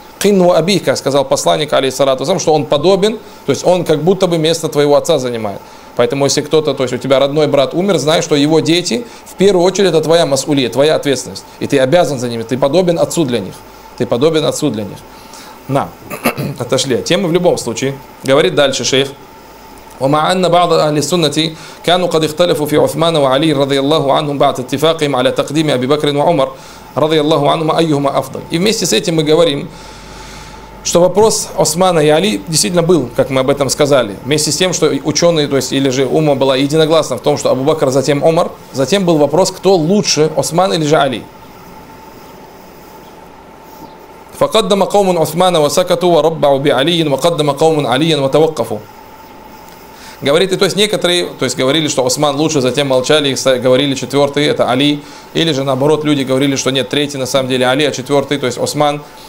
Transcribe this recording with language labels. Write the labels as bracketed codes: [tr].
[ru] Кинну абика, сказал посланник, алейхиссалату вассалям, что он подобен, то есть он как будто бы место твоего отца занимает. Поэтому если кто-то, то есть у тебя родной брат умер, знай, что его дети, в первую очередь, это твоя масулия, твоя ответственность. И ты обязан за ними, ты подобен отцу для них. Ты подобен отцу для них. На, отошли от темы в любом случае. Говорит дальше шейх. [ar] ومع أن بعض أهل السنة كانوا قد اختلفوا في عثمان وعلي رضي الله عنهم بعد اتفاقهم على تقديم أبي بكر وعمر رضي الله عنهما أيهما أفضل. [ru] И вместе с этим мы говорим, что вопрос Османа и Али действительно был, как мы об этом сказали. Вместе с тем, что ученые, то есть или же ума была единогласна в том, что Абу Бакр, затем Умар, затем был вопрос, кто лучше, Осман или же Али. [ar] فقدم قوم عثمان وسكتوا وربعوا بعلي وقدم قوم علي وتوقفوا. [ru] Говорит, и то есть некоторые, то есть говорили, что Осман лучше, затем молчали, говорили четвертый, это Али, или же наоборот, люди говорили, что нет, третий на самом деле Али, а четвертый, то есть Осман.